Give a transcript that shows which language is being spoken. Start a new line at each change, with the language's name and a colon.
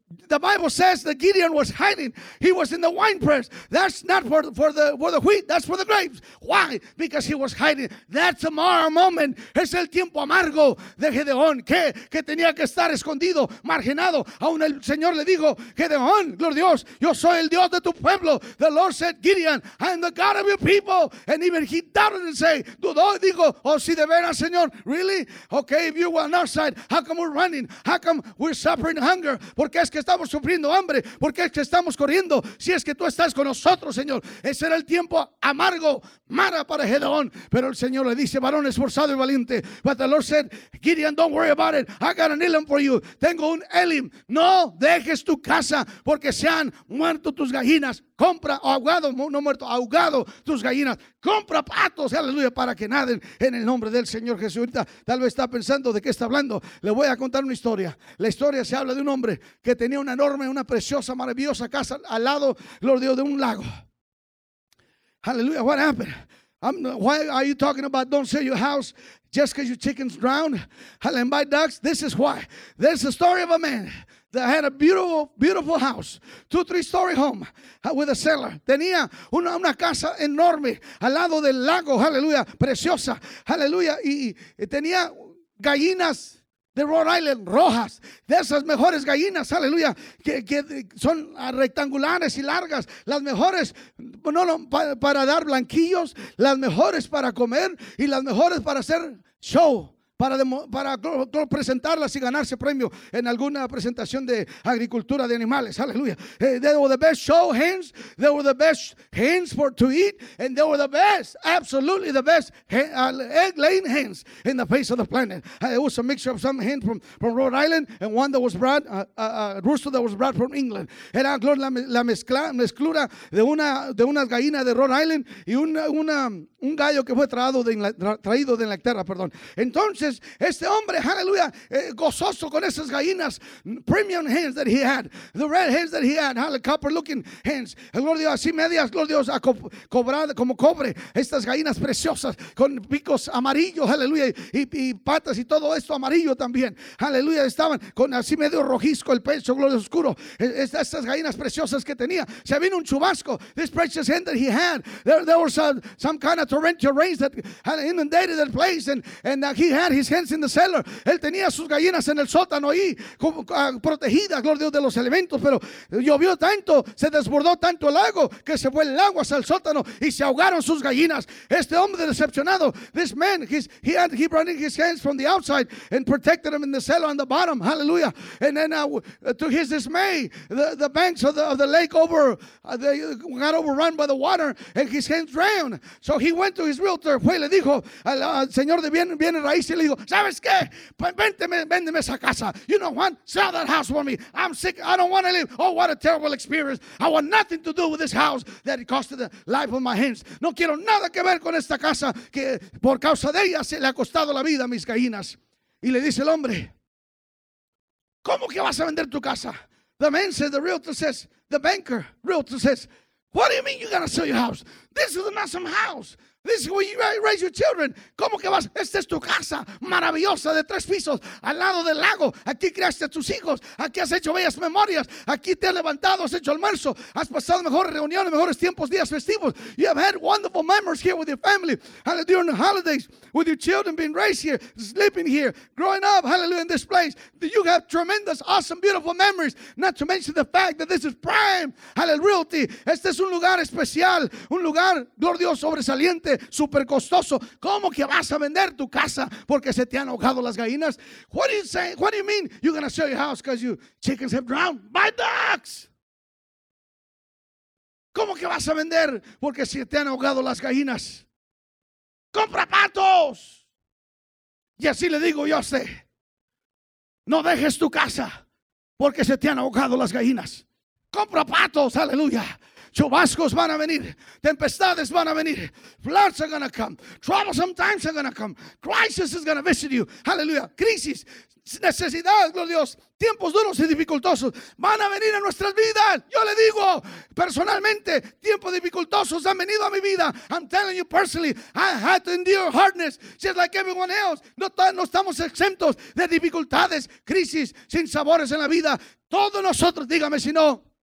English: The Bible says that Gideon was hiding. He was in the wine press. That's not for the wheat. That's for the grapes. Why? Because he was hiding. That's a mar moment.
Spanish: Es el tiempo amargo de Gedeón. Que tenía que estar escondido, marginado. Aún el Señor le dijo, Gedeón, Gloria Dios, yo soy el Dios de tu pueblo.
English: The Lord said, Gideon, I am the God of your people. And even he doubted and say,
Spanish: dudó y dijo, oh, si de veras, Señor,
English: really? Okay, if you were on our side, how come we're running? How come we're suffering hunger?
Spanish: Porque es que estamos sufriendo hambre, porque es que estamos corriendo, si es que tú estás con nosotros, Señor. Ese era el tiempo amargo, mara para Gedeón. Pero el Señor le dice, varón esforzado y valiente.
English: But the Lord said, Gideon, don't worry about it. I got an Elim for you.
Spanish: Tengo un Elim. No dejes tu casa porque se han muerto tus gallinas. Compra, ahogado, no muerto, ahogado tus gallinas. Compra patos, aleluya, para que naden en el nombre del Señor Jesús. Ahorita tal vez está pensando de qué está hablando. Le voy a contar una historia. La historia se habla de un hombre que tenía una enorme, una preciosa, maravillosa casa al lado, Lord Dios, de un lago.
English: Aleluya, what happened? Why are you talking about don't sell your house just because your chickens drown? And by ducks, this is why. There's a story of a man that had a beautiful, beautiful house, 2-3-story home with a cellar.
Spanish: Tenía una casa enorme al lado del lago, aleluya, preciosa, aleluya. Y tenía gallinas de Rhode Island, rojas, de esas mejores gallinas, aleluya, que son rectangulares y largas, las mejores para dar blanquillos, las mejores para comer y las mejores para hacer show. Para presentarlas y ganarse premio en alguna presentación de agricultura de animales, aleluya.
English: They were the best show hens, they were the best hens for to eat, and they were the best, absolutely the best egg laying hens in the face of the planet. It was a mixture of some hens from Rhode Island and one that was brought, a rooster that was brought from England.
Spanish: Era la mezcla de unas gallinas de Rhode Island y un gallo que fue traído de Inglaterra, perdón. Entonces este hombre, aleluya, gozoso con esas gallinas,
English: premium hens that he had, the red hens that he had, hallelujah, copper looking hens,
Spanish: gloria Dios, así medias, gloria Dios, cobrada como cobre, estas gallinas preciosas con picos amarillos, aleluya, y patas y todo esto amarillo también, aleluya, estaban con así medio rojizco el pecho, gloria oscuro, estas gallinas preciosas que tenía, se vino un chubasco,
English: this precious hen that he had, there was some kind of torrential rains that had inundated the place, and he had his hens in the cellar.
Spanish: Él tenía sus gallinas en el sótano ahí, protegidas, gloria a Dios, de los elementos, pero llovió tanto, se desbordó tanto el lago, que se fue el agua hacia el sótano y se ahogaron sus gallinas. Este hombre decepcionado,
English: this man, he brought in his hens from the outside and protected them in the cellar on the bottom, hallelujah. And then to his dismay, the banks of the lake got overrun by the water and his hens drowned. So he went to his realtor,
Spanish: fue y le dijo al señor de bien ahí se le dijo, ¿sabes qué? Véndeme esa casa.
English: You know what? Sell that house for me. I'm sick. I don't want to live. Oh, what a terrible experience. I want nothing to do with this house that it costed the life of my hens.
Spanish: No quiero nada que ver con esta casa que por causa de ella se le ha costado la vida a mis gallinas. Y le dice el hombre, ¿cómo que vas a vender tu casa?
English: The man says, the realtor says, the banker, realtor says, what do you mean you're going to sell your house? This is an awesome house. This is where you raise your children.
Spanish: ¿Cómo que vas? Esta es tu casa maravillosa de 3 pisos al lado del lago. Aquí creaste a tus hijos. Aquí has hecho bellas memorias. Aquí te has levantado. Has hecho almuerzo. Has pasado mejores reuniones, mejores tiempos, días festivos.
English: You have had wonderful memories here with your family. Hallelujah. During the holidays, with your children being raised here, sleeping here, growing up, hallelujah, in this place. You have tremendous, awesome, beautiful memories. Not to mention the fact that this is prime, hallelujah, realty.
Spanish: Este es un lugar especial. Un lugar, gloria Dios, sobresaliente. Super costoso. ¿Cómo que vas a vender tu casa porque se te han ahogado las gallinas?
English: What do you say? What do you mean? You're gonna sell your house because your chickens have drowned by ducks?
Spanish: ¿Cómo que vas a vender porque se te han ahogado las gallinas? Compra patos. Y así le digo yo a usted. No dejes tu casa porque se te han ahogado las gallinas. Compra patos. Aleluya. Chubascos van a venir. Tempestades van a venir.
English: Floods are going to come. Troublesome times are going to come. Crisis is going to visit you. Hallelujah. Crisis.
Spanish: Necesidad, gloria a Dios. Tiempos duros y dificultosos van a venir a nuestras vidas. Yo le digo personalmente, tiempos dificultosos han venido a mi vida.
English: I'm telling you personally, I had to endure hardness just like everyone else.
Spanish: No estamos exentos de dificultades, crisis, sin sabores en la vida. Todos nosotros, dígame si no.